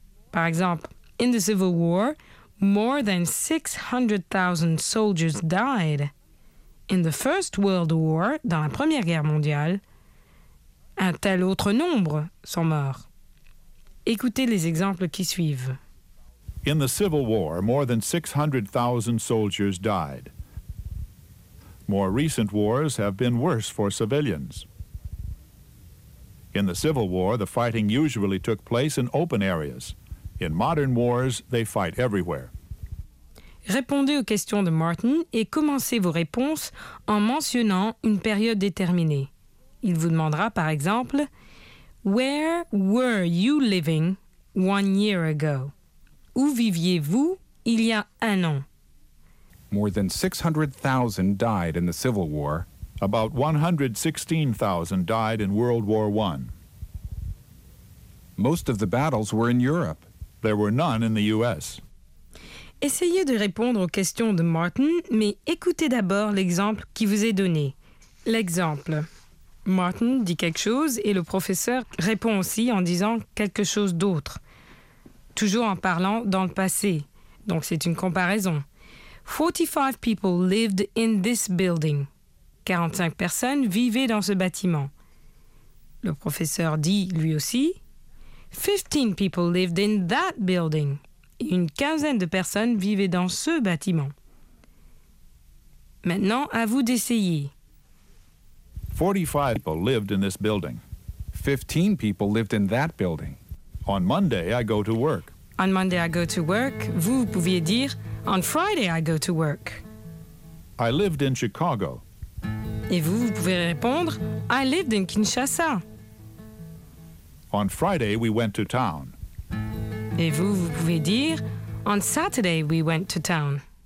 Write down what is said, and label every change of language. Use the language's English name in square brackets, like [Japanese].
[French] Par exemple, [English] « In the Civil War », More than 600,000 soldiers died. In the First World War, [French] dans la Première Guerre mondiale, un tel autre nombre sont morts. Écoutez les exemples qui suivent. [English] In the Civil War, more than 600,000 soldiers died. More recent wars have been worse for civilians. In the Civil War, the fighting usually took place in open areas. In modern wars, they fight everywhere. [French] Répondez aux questions de Martin et commencez vos réponses en mentionnant une période déterminée. Il vous demandera par exemple « [English] Where were you living 1 year ago? [French] » Où viviez-vous il y a un an? [English] More than 600,000 died in the Civil War. About 116,000 died in World War I. Most of the battles were in Europe. There were none in the U.S. [French] Essayez de répondre aux questions de Martin, mais écoutez d'abord l'exemple qui vous est donné. L'exemple. Martin dit quelque chose et le professeur répond aussi en disant quelque chose d'autre. Toujours en parlant dans le passé. Donc c'est une comparaison. [English] 45 people lived in this building. [French] 45 personnes vivaient dans ce bâtiment. Le professeur dit lui aussi. [English] 15 people lived in that building. [French] Une quinzaine de personnes vivaient dans ce bâtiment. Maintenant, à vous d'essayer. [English] 45 people lived in this building. 15 people lived in that building. On Monday, I go to work. On Monday, I go to work. [French] Vous pouviez dire, [English] on Friday, I go to work. I lived in Chicago. [French] Et vous, vous pouvez répondre, [English] I lived in Kinshasa. On Friday, we went to town. [French] Et vous, vous pouvez dire, [English] on Saturday, we went to town.